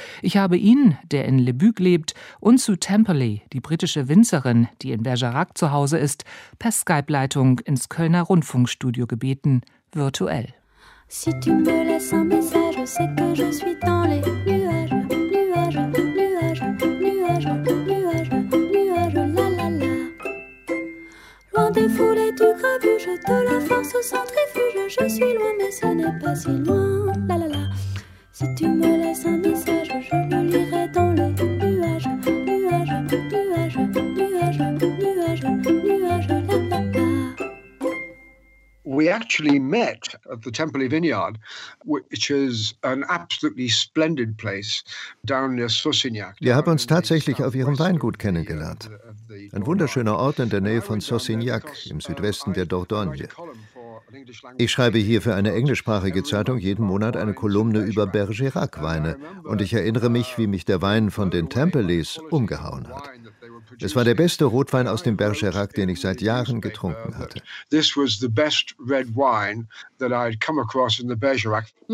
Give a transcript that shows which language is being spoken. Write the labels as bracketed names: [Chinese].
[German] Ich habe ihn, der in Le Buc lebt, und Sue Temperley, die britische Winzerin, die in Bergerac zu Hause ist, per Skype-Leitung ins Kölner Rundfunkstudio gebeten, virtuell. [French] Si tu me laisses un message, c'est que je suis dans les nuages, nuages, nuages, nuages, nuages, nuages, la la la. Loin des foulées du grabuge, de la force au centrifuge, je suis loin, mais ce n'est pas si loin, la la la. Si tu me laisses un message, je le lirai dans les nuages, nuages, nuages, nuages, nuages, nuages, la la la. [English] We actually met at the Temperley Vineyard, which is an absolutely splendid place down near Sossignac. [German] Wir haben uns tatsächlich auf ihrem Weingut kennengelernt. Ein wunderschöner Ort in der Nähe von Sossignac im Südwesten der Dordogne. Ich schreibe hier für eine englischsprachige Zeitung jeden Monat eine Kolumne über Bergerac-Weine und ich erinnere mich, wie mich der Wein von den Temperleys umgehauen hat. Es war der beste Rotwein aus dem Bergerac, den ich seit Jahren getrunken hatte. [English] This was the best red wine that I'd come across in the Bergerac.